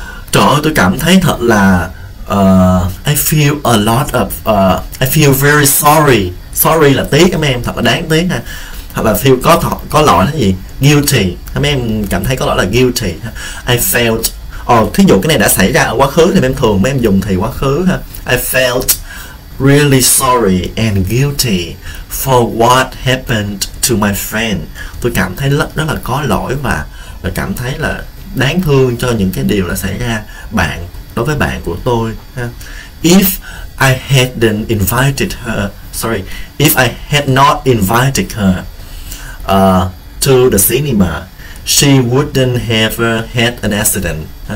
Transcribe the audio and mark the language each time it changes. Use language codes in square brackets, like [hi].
[vi] Trời ơi tôi cảm thấy thật là [en] I feel a lot of I feel very sorry, sorry [vi] là tiếc em, thật là đáng tiếc ha. Hoặc là feel có lỗi là gì? Guilty. Mấy em cảm thấy có lỗi là guilty. [en] I felt. [vi] Thí dụ cái này đã xảy ra ở quá khứ thì em thường mấy em dùng thì quá khứ ha. [en] I felt really sorry and guilty for what happened to my friend. [vi] Tôi cảm thấy rất là có lỗi và cảm thấy là đáng thương cho những cái điều đã xảy ra bạn đối với bạn của tôi ha. [en] If I hadn't invited her, sorry, if I had not invited her to the cinema, she wouldn't have had an accident.